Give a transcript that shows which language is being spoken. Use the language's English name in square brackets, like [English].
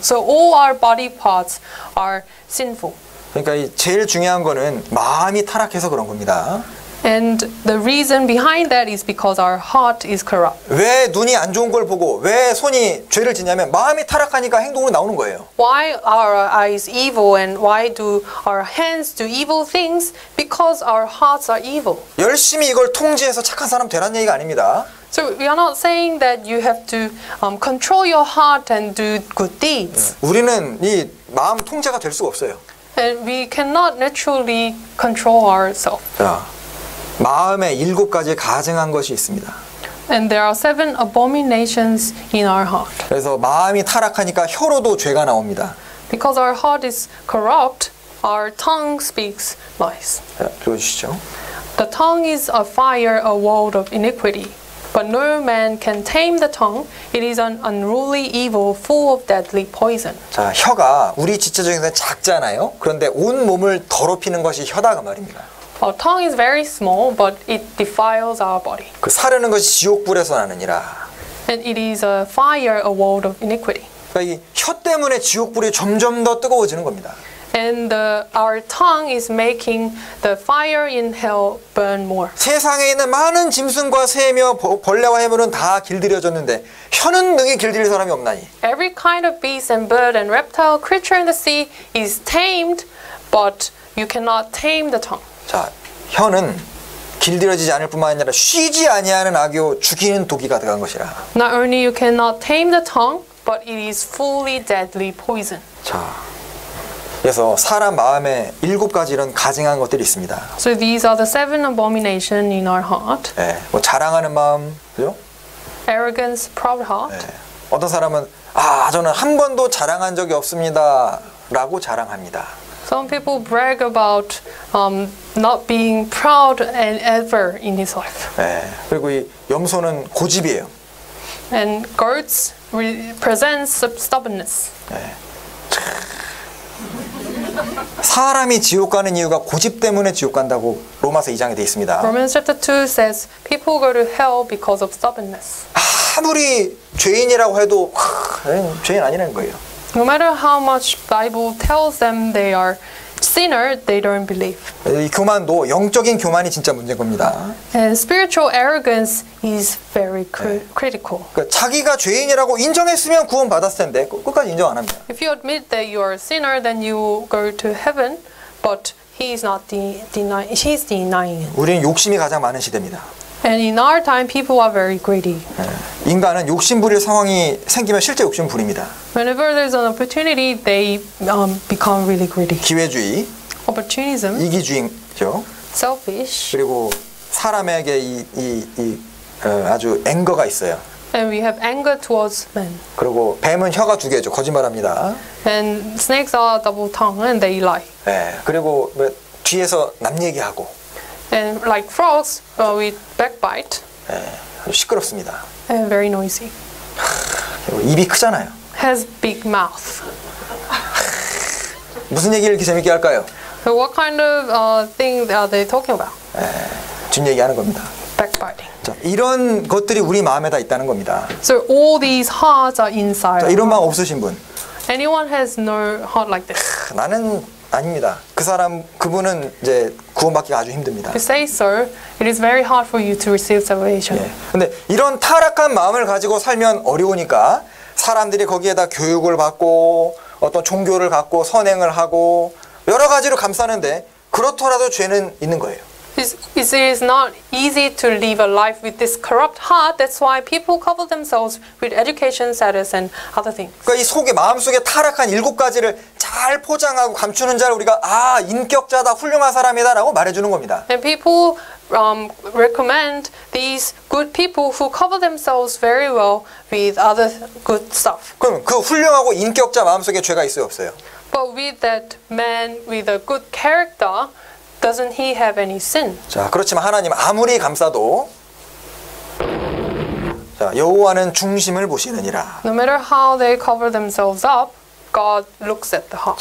[English] So all our body parts are sinful. [Korean] 그러니까 이 제일 중요한 거는 마음이 타락해서 그런 겁니다. [English] And the reason behind that is because our heart is corrupt. [Korean] 왜 눈이 안 좋은 걸 보고 왜 손이 죄를 짓냐면 마음이 타락하니까 행동으로 나오는 거예요. [English] Why are our eyes evil and why do our hands do evil things? Because our hearts are evil. [Korean] 열심히 이걸 통제해서 착한 사람 되란 얘기가 아닙니다. [English] So we are not saying that you have to control your heart and do good deeds. [Korean] 우리는 이 마음 통제가 될 수가 없어요. [English] And we cannot naturally control ourselves. [Korean] 자. 마음에 일곱 가지 가증한 것이 있습니다. [English] And there are seven abominations in our heart. [Korean] 그래서 마음이 타락하니까 혀로도 죄가 나옵니다. [English] Because our heart is corrupt, our tongue speaks lies. [Korean] 자, 보시죠. [English] The tongue is a fire, a world of iniquity. But no man can tame the tongue. It is an unruly evil, full of deadly poison. [Korean] 자, 혀가 우리 지체 중에서 작잖아요. 그런데 온 몸을 더럽히는 것이 혀다 그 말입니다. [English] Our tongue is very small, but it defiles our body. [Korean] 그 사르는 것이 지옥 불에서 나느니라. [English] And it is a fire, a world of iniquity. [Korean] 그러니까 이 혀 때문에 지옥 불이 점점 더 뜨거워지는 겁니다. [English] And our tongue is making the fire in hell burn more. [Korean] 세상에 있는 많은 짐승과 새며 벌레와 해물은 다 길들여졌는데 혀는 능히 길들일 사람이 없나니. [English] Every kind of beast and bird and reptile creature in the sea is tamed, but you cannot tame the tongue. [Korean] 자, 혀는 길들여지지 않을 뿐만 아니라 쉬지 아니하는 악이요 죽이는 독이 가득한 것이라. [English] Not only you cannot tame the tongue, but it is fully deadly poison. [Korean] 자, 그래서 사람 마음에 일곱 가지 이런 가증한 것들이 있습니다. [English] So these are the seven abominations in our heart. [Korean] 예, 네, 뭐 자랑하는 마음, 그죠? [English] Arrogance, proud heart. 네, [Korean] 어떤 사람은 아, 저는 한 번도 자랑한 적이 없습니다. 라고 자랑합니다. [English] Some people brag about not being proud and ever in his life. [Korean] 네, 그리고 이 염소는 고집이에요. [English] And goats represents stubbornness. [Korean] 네. 사람이 지옥 가는 이유가 고집 때문에 지옥 간다고 로마서 2장에 되어 있습니다. [English] Romans chapter 2 says people go to hell because of stubbornness. [Korean] 아무리 죄인이라고 해도 죄인 아니라는 거예요. [English] No matter how much Bible tells them they are sinner, they don't believe. [Korean] 이 교만도 영적인 교만이 진짜 문제인 겁니다. [English] And spiritual arrogance is very critical. [Korean] 그 자기가 죄인이라고 인정했으면 구원 받았을 텐데 끝까지 인정 안 합니다. [English] If you admit that you are a sinner, then you go to heaven, but he's denying. [Korean] 우리는 욕심이 가장 많은 시대입니다. [English] And in our time, people are very greedy. [Korean] 인간은 욕심 부릴 상황이 생기면 실제 욕심 부립니다. [English] Whenever there's an opportunity, they become really greedy. [Korean] 기회주의, [English] opportunism, [Korean] 이기주의죠. [English] Selfish. [Korean] 그리고 사람에게 아주 앵거가 있어요. [English] And we have anger towards men. [Korean] 그리고 뱀은 혀가 두 개죠. 거짓말합니다. [English] And snakes are double tongue and they lie. [Korean] 네. 그리고 뭐, 뒤에서 남 얘기하고. [English] And like frogs, with backbite. [Korean] 네, 시끄럽습니다. [English] And very noisy. [Korean] 입이 크잖아요. [English] Has big mouth. [Korean] 무슨 얘기를 재밌게 할까요? [English] So what kind of thing are they talking about? [Korean] 네, 뒷 얘기하는 겁니다. [English] Backbiting. [Korean] 자, 이런 것들이 우리 마음에 다 있다는 겁니다. [English] So all these hearts are inside. [Korean] 자, 이런 마음 없으신 분? [English] Anyone has no heart like this? [Korean] 나는 아닙니다. 그 사람, 그분은 이제 구원받기가 아주 힘듭니다. [English] To say so, it is very hard for you to receive salvation. [Korean] 그런데 예. 이런 타락한 마음을 가지고 살면 어려우니까 사람들이 거기에다 교육을 받고 어떤 종교를 갖고 선행을 하고 여러 가지로 감싸는데 그렇더라도 죄는 있는 거예요. [English] It is not easy to live a life with this corrupt heart. That's why people cover themselves with education, status, and other things. [Korean] 그러니까 이 속에 마음 속에 타락한 일곱 가지를 잘 포장하고 감추는 자를 우리가 아 인격자다 훌륭한 사람이다라고 말해주는 겁니다. [English] And people recommend these good people who cover themselves very well with other good stuff. [Korean] 그럼 그 훌륭하고 인격자 마음 속에 죄가 있어요 없어요? [English] But with that man with a good character. Doesn't he have any sin? [Korean] 자, 그렇지만 하나님 아무리 감싸도 자, 여호와는 중심을 보시느니라. [English] No matter how they cover themselves up, God looks at the heart.